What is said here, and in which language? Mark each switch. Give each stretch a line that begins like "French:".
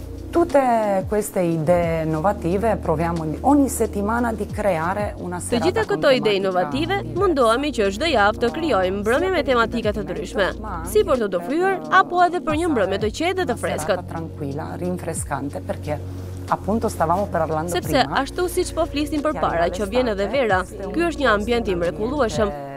Italian: Tutte queste idee innovative proviamo ogni settimana di creare una serata.
Albanian: Të gjitha këto ide innovative mundohemi që çdo javë të krijojmë mbrëmje me tematika të ndryshme, si për të ofruar apo edhe për një mbrëmje të qetë dhe të freskët.
Italian: Tranquilla, rinfrescante perché appunto stavamo parlando prima.
Albanian: Sepse ashtu siç po flisnim përpara që vjen edhe vera. Ky është një ambient i mrekullueshëm.